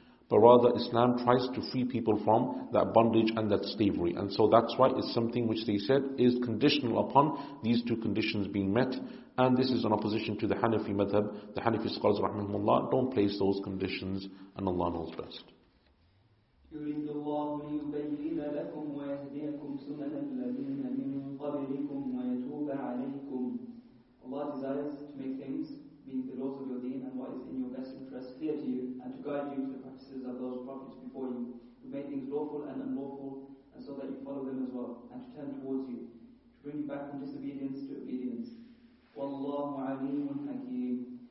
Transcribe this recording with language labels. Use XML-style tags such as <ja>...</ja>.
<en>But rather, Islam tries to free people from that bondage and that slavery. And so that's why it's something which they said is conditional upon these two conditions being met. And this is in opposition to the Hanafi madhab. The Hanafi scholars, rahimahumullah, don't place those conditions, and Allah knows best.</en> <ar>يريد الله ليبين لكم ويهديكم سنن الذين من قبلكم ويتوب عليكم.</ar> <en>Allah desires to make things being the laws of your deen and what is in your best interest clear to you, and to guide you to the practices of those prophets before you, who made things lawful and unlawful, and so that you follow them as well, and to turn towards you, to bring you back from disobedience to obedience.</en> <ar>وَاللَّهُ عَلِيمٌ حَكِيمٌ.</ar>